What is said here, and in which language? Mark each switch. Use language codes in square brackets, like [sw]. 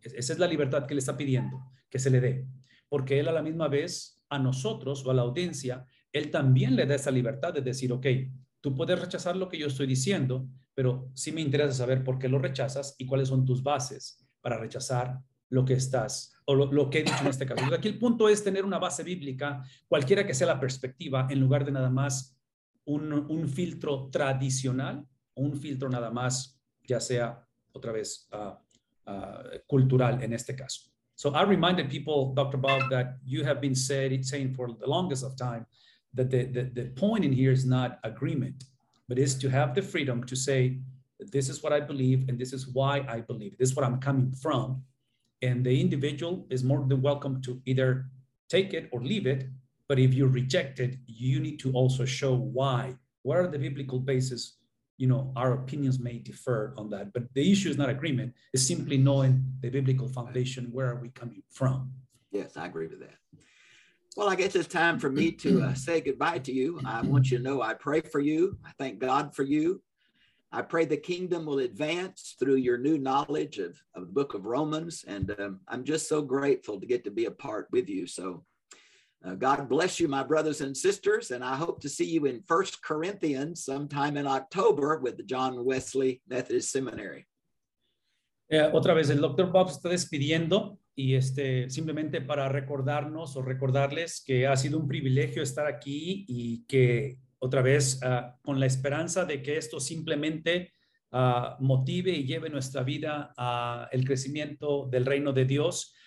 [es] Esa es la libertad que le está pidiendo que se le dé, porque él a la misma vez a nosotros o a la audiencia él también le da esa libertad de decir, ok, tú puedes rechazar lo que yo estoy diciendo, pero sí me interesa saber por qué lo rechazas y cuáles son tus bases para rechazar lo que estás o lo que he dicho en este caso. Aquí el punto es tener una base bíblica cualquiera que sea la perspectiva, en lugar de nada más un filtro tradicional o un filtro nada más, ya sea otra vez cultural en este caso. [en] So I reminded people, Dr. Bob, that you have been saying for the longest of time that the point in here is not agreement, but is to have the freedom to say, this is what I believe and this is why I believe, this is what I'm coming from. And the individual is more than welcome to either take it or leave it. But if you reject it, you need to also show why. What are the biblical basis? You know, our opinions may differ on that, but the issue is not agreement. It's simply knowing the biblical foundation. Where are we coming from? Yes, I agree with that. Well, I guess it's time for me to say goodbye to you. I want you to know I pray for you. I thank God for you. I pray the kingdom will advance through your new knowledge of the book of Romans. And I'm just so grateful to get to be a part with you. So God bless you, my brothers and sisters, and I hope to see you in 1 Corinthians sometime in October with the John Wesley Methodist Seminary. [es] Otra vez, el Dr. Bob está despidiendo, y simplemente para recordarnos o recordarles que ha sido un privilegio estar aquí y que otra vez, con la esperanza de que esto simplemente motive y lleve nuestra vida al crecimiento del reino de Dios.